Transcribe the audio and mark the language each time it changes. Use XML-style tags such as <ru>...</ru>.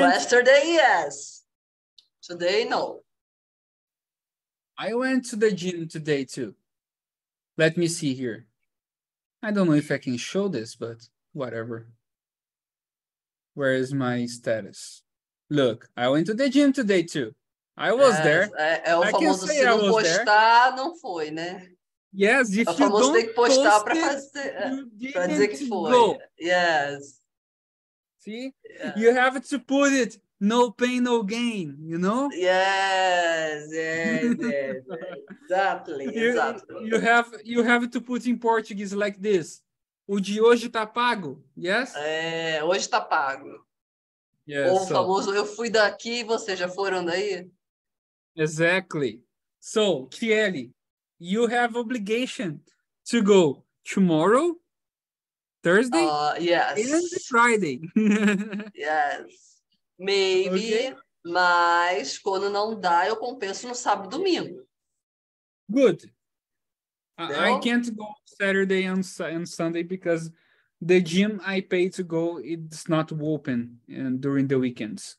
<en>yesterday. Yes. Today, no. I went to the gym today too. Let me see here. I don't know if I can show this, but whatever. Where is my status? Look, I went to the gym today too. I was there.</en> <pt>É o famoso se não postar, não foi, né?</pt> <en>Yes, if you don't post it, you didn't go. Yes. See? You have to put it. No pain, no gain, you know? Yes. Exactly. You have to put in Portuguese like this.</en> <pt>O de hoje tá pago, yes? Hoje tá pago.</pt> <en>Yes,</en> <pt>o famoso, eu fui daqui, vocês já foram daí?</pt> <en>Exactly. So, Chieli, you have obligation to go tomorrow, Thursday? Yes. And Friday. Yes. Maybe, okay.</en> <pt>Mas quando não dá, eu compenso no sábado e domingo.</pt> <en>Good. Então, I can't go Saturday and Sunday because the gym I pay to go, it's not open during the weekends.</en>